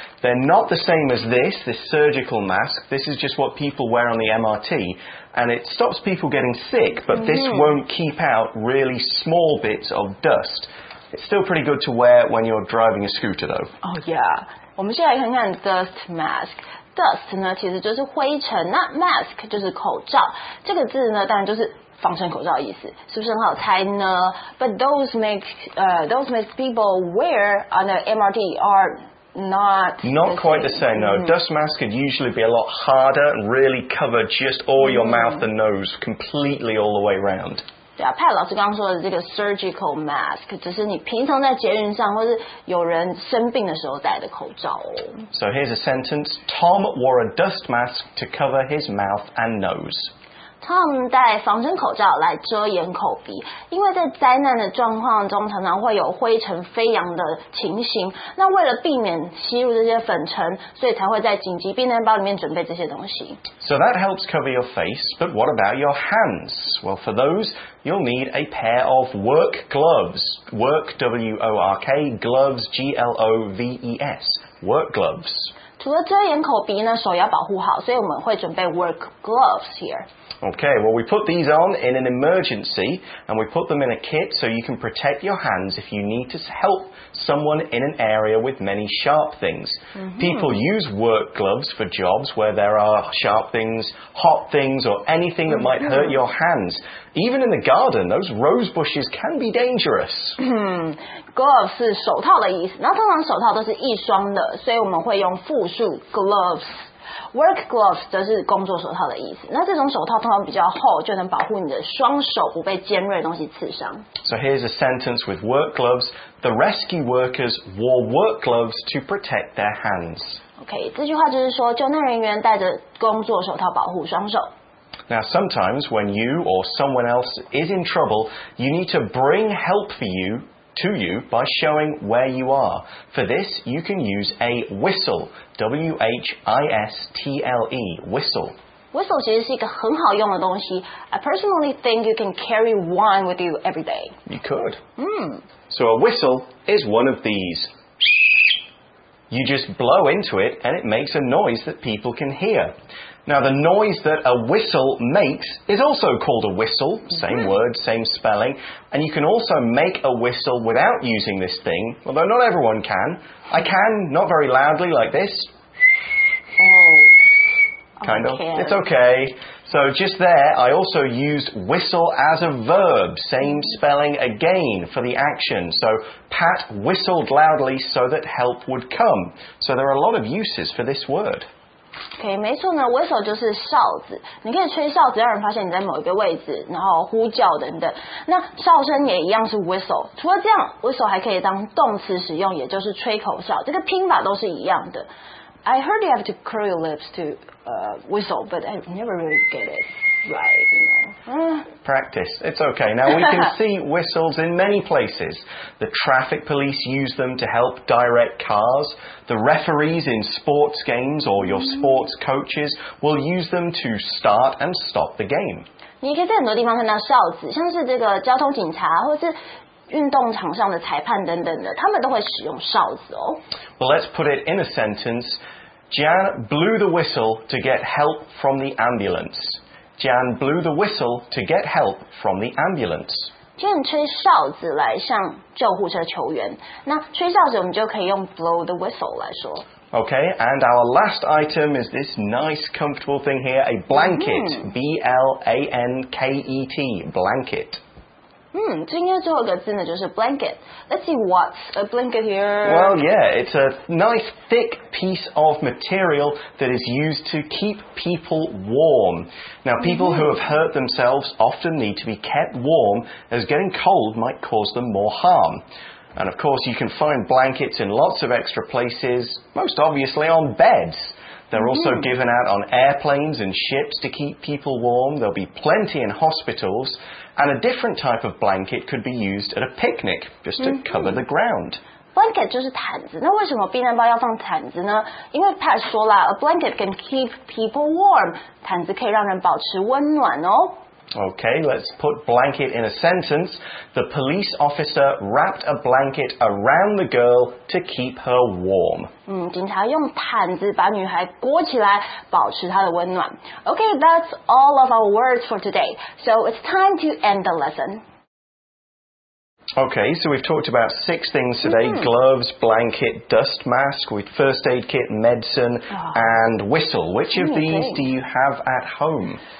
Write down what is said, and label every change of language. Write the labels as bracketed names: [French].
[English] They're not the same as this, this surgical mask. This is just what people wear on the MRT. And it stops people getting sick, but this won't keep out really small bits of dust. It's still pretty good to wear when you're driving a scooter, though. Oh, yeah. [Chinese] 我们现在看看 dust mask. Dust 呢其实就是灰尘，那 mask 就是口罩，这个字呢当然就是防尘口罩的意思，是不是很好猜呢？ [English] But those make people wear on the MRT are not quite the same, no. Dust mask could usually be a lot harder and really cover just all your mouth and nose completely all the way around. [Chinese] 对啊，派老师刚刚说的这个 surgical mask 只是你平常在捷运上或是有人生病的时候戴的口罩哦。 [English] So here's a sentence. Tom wore a dust mask to cover his mouth and nose. [Chinese] Tom 戴防尘口罩来遮掩口鼻，因为在灾难的状况中常常会有灰尘飞扬的情形。那为了避免吸入这些粉尘，所以才会在紧急避难包里面准备这些东西。 [English] So that helps cover your face, but what about your hands? Well, for those... You'll need a pair of work gloves. Work, W-O-R-K, gloves, G-L-O-V-E-S. Work gloves. [Chinese] 除了遮掩口鼻呢，手要保护好，所以我们会准备 work gloves here. [English] Okay, well, we put these on in an emergency, and we put them in a kit so you can protect your hands if you need to help someone in an area with many sharp things. Mm-hmm. People use work gloves for jobs where there are sharp things, hot things, or anything that might hurt your hands. Even in the garden, those rose bushes can be dangerous. [Chinese] Glove 是手套的意思，那通常手套都是一双的，所以我们会用复数 gloves. Work gloves 则是工作手套的意思。那这种手套通常比较厚，就能保护你的双手不被尖锐的东西刺伤。 [English] So here's a sentence with work gloves. The rescue workers wore work gloves to protect their hands. [Chinese] Okay, 这句话就是说，救难人员戴着工作手套保护双手。 [English] Now, sometimes when you or someone else is in trouble, you need to bring help for you to you by showing where you are. For this, you can use a whistle, W-H-I-S-T-L-E, whistle. Whistle 其实是一个很好用的东西。 I personally think you can carry one with you every day. You could. So a whistle is one of these. You just blow into it and it makes a noise that people can hear. Now, the noise that a whistle makes is also called a whistle. Same word, same spelling. And you can also make a whistle without using this thing, although not everyone can. I can, not very loudly, like this. Kind of. It's okay. So just there, I also used whistle as a verb. Same spelling again for the action. So Pat whistled loudly so that help would come. So there are a lot of uses for this word. [Chinese] OK, 没错呢 ,whistle 就是哨子。你可以吹哨子让人发现你在某一个位置然后呼叫等等。那哨声也一样是 whistle。除了这样 ,whistle 还可以当动词使用也就是吹口哨。这个拼法都是一样的。 [English] I heard you have to curl your lips to whistle, but I never really get it right, you know. Practice. It's okay. Now, we can see whistles in many places. The traffic police use them to help direct cars. The referees in sports games or your sports coaches will use them to start and stop the game. [Chinese] 你可以在很多地方看到哨子，像是这个交通警察，或是运动场上的裁判等等的，他们都会使用哨子哦。 [English] Well, let's put it in a sentence. Jan blew the whistle to get help from the ambulance. Jan blew the whistle to get help from the ambulance. [Chinese] Jan 吹哨子来向救护车求援。那吹哨子我们就可以用 blow the whistle 来说。 [English] Okay, and our last item is this nice, comfortable thing here, a blanket. B-L-A-N-K-E-T, blanket. [Chinese] 今天最后一个字呢就是 blanket. [English] Let's see what's a blanket here. Well, yeah, it's a nice thick piece of material that is used to keep people warm. Now, people who have hurt themselves often need to be kept warm as getting cold might cause them more harm. And of course, you can find blankets in lots of extra places, most obviously on beds. They're also given out on airplanes and ships to keep people warm. There'll be plenty in hospitals. And a different type of blanket could be used at a picnic, just to cover the ground. [Chinese] Blanket 就是毯子。那为什么避难包要放毯子呢？因为 Pat 说了 ， [English] a blanket can keep people warm. [Chinese] 毯子可以让人保持温暖哦。 [English] Okay, let's put blanket in a sentence. The police officer wrapped a blanket around the girl to keep her warm. [Chinese] 警察用毯子把女孩裹起来，保持她的温暖。 [English] Okay, that's all of our words for today. So it's time to end the lesson. Okay, so we've talked about six things today. Gloves, blanket, dust mask, first aid kit, medicine, and whistle. Which of these do you have at home?